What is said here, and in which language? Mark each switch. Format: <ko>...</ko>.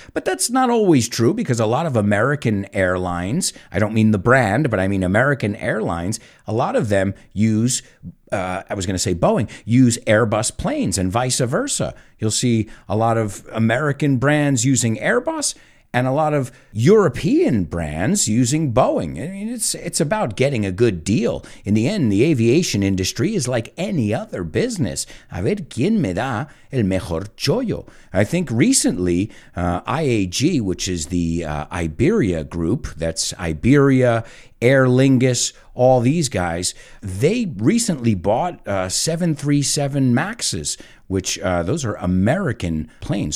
<en>But that's not always true, because a lot of American airlines, I don't mean the brand, but I mean American airlines, a lot of them use, Boeing, use Airbus planes and vice versa. You'll see a lot of American brands using Airbus, and a lot of European brands using Boeing. I mean, it's about getting a good deal. In the end, the aviation industry is like any other business.</en> <es>A ver quién me da el mejor chollo.</es> <en>I think recently, IAG, which is the Iberia group, that's Iberia, Aer Lingus, all these guys, they recently bought 737 Maxes, which those are American planes.</en>